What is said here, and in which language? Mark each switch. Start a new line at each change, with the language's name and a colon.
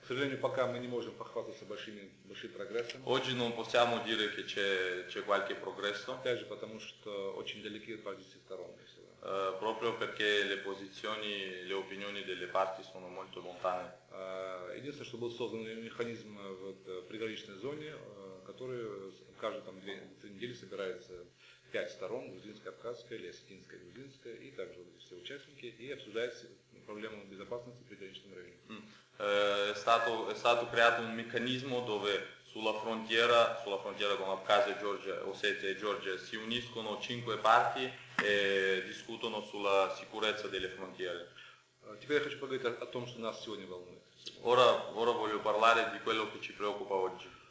Russian: К сожалению, пока мы не можем похвастаться большими прогрессами.
Italian: Oggi non possiamo dire che c'è qualche progresso.
Russian: Опять же, потому что очень далеки от позиции сторон.
Italian: Proprio perché le posizioni, le opinioni delle parti sono molto lontane.
Russian: Единственное, что был создан механизм в приграничной зоне, который каждые там две недели собирается. Пять сторон, грузинская, абхазская, лезгинская, грузинская, и также все участники, и обсуждается проблема безопасности в приграничном районе.
Italian: È stato creato un meccanismo dove sulla frontiera con Abkhazia, Georgia, Ossetia e Georgia si uniscono cinque parti e discutono sulla sicurezza delle frontiere.
Russian: Теперь я хочу поговорить о том, что нас сегодня волнует.
Italian: Ora voglio parlare di quello che ci preoccupa oggi.